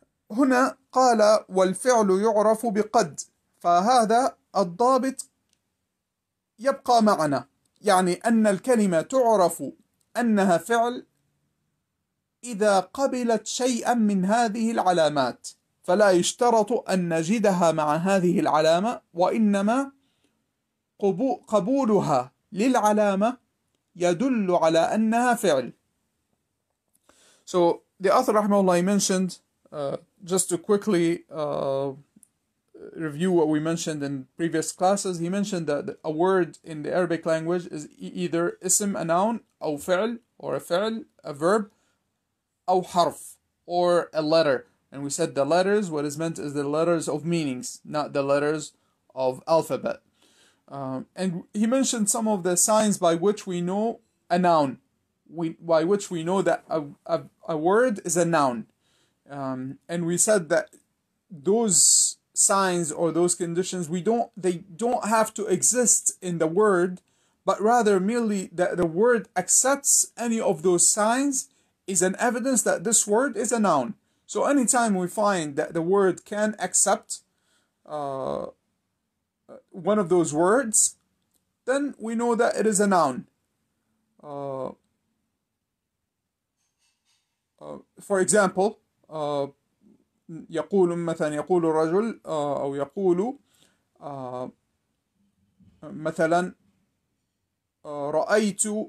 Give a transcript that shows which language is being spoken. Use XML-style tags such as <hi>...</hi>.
<ar>هنا قال والفعل يعرف بقد، فهذا الضابط يبقى معنا، يعني أن الكلمة تعرف أنها فعل إذا قبلت شيئا من هذه العلامات، فلا يشترط أن نجدها مع هذه العلامة، وإنما قبولها للعلامة يدل على أنها فعل.</ar> <en>So the author</en> <ar>رحمه الله</ar> <en>mentioned just to quickly review what we mentioned in previous classes. He mentioned that a word in the Arabic language is either اسم a noun أو فعل or a فعل a verb أو حرف or a letter. And we said the letters, what is meant is the letters of meanings, not the letters of alphabet. And he mentioned some of the signs by which we know a noun, by which we know that a word is a noun. And we said that those signs or those conditions, they don't have to exist in the word, but rather merely that the word accepts any of those signs is an evidence that this word is a noun. So anytime we find that the word can accept one of those words, then we know that it is a noun. For example,</en> <ar>يقول مثلا يقول الرجل أو يقول مثلا رأيت</ar>